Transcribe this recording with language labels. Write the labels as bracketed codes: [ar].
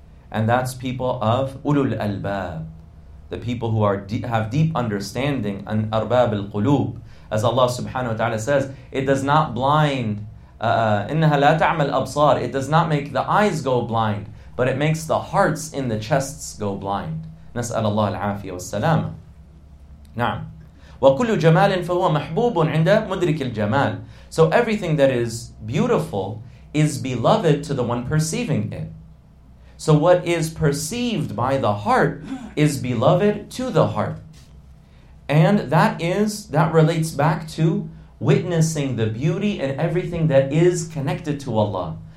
[en] And that's people of ulul albab, the people who have deep understanding, and arbab al-qulub. As Allah subhanahu wa ta'ala says, it does not blind, [ar] إِنَّهَا لَا تَعْمَلْ أَبْصَارِ. [en] It does not make the eyes go blind, but it makes the hearts in the chests go blind. [ar] نسأل الله العافية والسلامة. نعم. وكل جمال فهو محبوب عند مدرك الجمال. [en] So everything that is beautiful is beloved to the one perceiving it. So what is perceived by the heart is beloved to the heart. And that relates back to witnessing the beauty in everything that is connected to Allah.